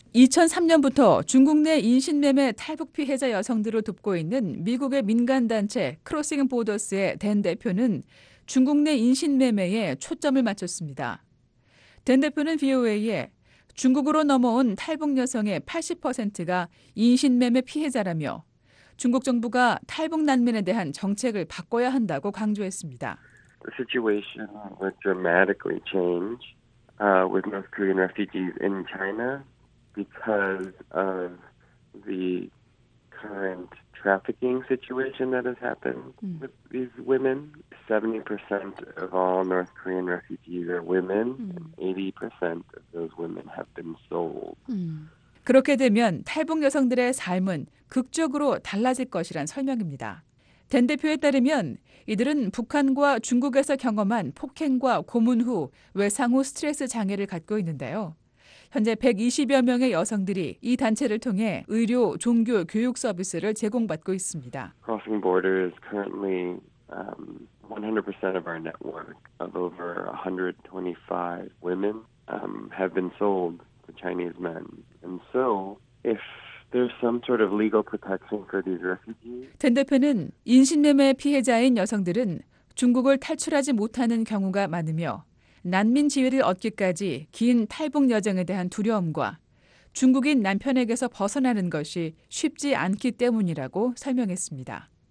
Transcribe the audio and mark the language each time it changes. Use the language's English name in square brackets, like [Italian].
[Korean] 2003년부터 중국 내 인신매매 탈북 피해자 여성들을 돕고 있는 미국의 민간단체 크로싱 보더스의 댄 대표는 중국 내 인신매매에 초점을 맞췄습니다. 댄 대표는 VOA에 중국으로 넘어온 탈북 여성의 80%가 인신매매 피해자라며 중국 정부가 탈북 난민에 대한 정책을 바꿔야 한다고 강조했습니다. [English] The situation would dramatically change with North Korean refugees in China because of the current trafficking situation that has happened with these women. 70% of all North Korean refugees are women, and 80% of those women have been sold. [Korean] 그렇게 되면 탈북 여성들의 삶은 극적으로 달라질 것이란 설명입니다. 댄 대표에 따르면 이들은 북한과 중국에서 경험한 폭행과 고문 후 외상 후 스트레스 장애를 갖고 있는데요. 현재 120여 명의 여성들이 이 단체를 통해 의료, 종교, 교육 서비스를 제공받고 있습니다. [English] Crossing Borders currently 100% of our network of over 125 women have been sold to Chinese men. And so if there's some sort of legal protection for these refugees. [Korean] 댄 대표는 인신매매 피해자인 여성들은 중국을 탈출하지 못하는 경우가 많으며 난민 지위를 얻기까지 긴 탈북 여정에 대한 두려움과 중국인 남편에게서 벗어나는 것이 쉽지 않기 때문이라고 설명했습니다.